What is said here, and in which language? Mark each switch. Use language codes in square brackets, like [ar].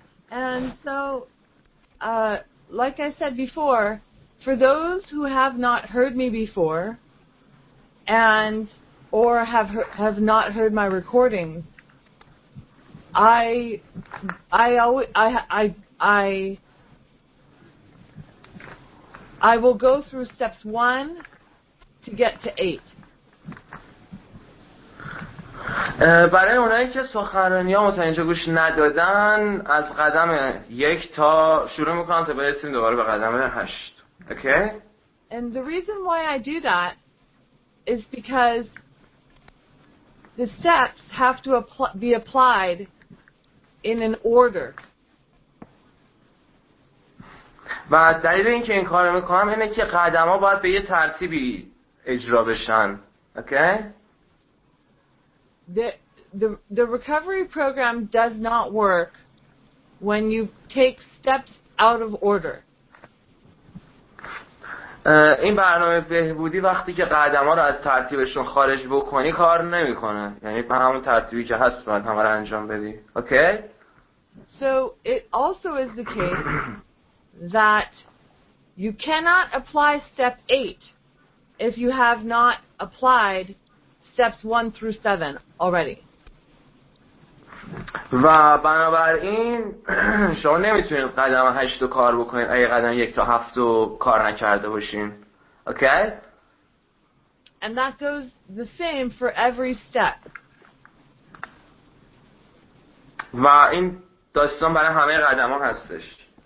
[en] And so, like I said before, for those who have not heard me before and or have not heard my recordings, I will go through steps 1 to get to 8. [fa] برای اونایی که سخنرانی ها اینجا گوش ندادن، از قدم 1 تا شروع میکنم تا برسیم دوباره به قدم 8. [en] Okay? And the reason why I do that is because the steps have to be applied in an order. [fa] و دلیل این که این کار میکنم اینه که قدم ها باید به یه ترتیبی اجرا بشن. [en] Okay? The recovery program does not work when you take steps out of order. [fa] این برنامه بهبودی وقتی که قدم ها رو از ترتیبشون خارج بکنی کار نمی کنه. یعنی به همون ترتیبی که هست باید همه رو انجام بدی. [en] Okay? So it also is the case that you cannot apply step 8 if you have not applied steps 1 through 7 already. [fa] و بنابراین شما نمیتونید قدم 8 رو کار بکنید اگه قدم 1 تا 7 رو کار نکرده باشین. [en] Okay? And that goes the same for every step. [fa] و این داستان برای همه قدم ها هستش.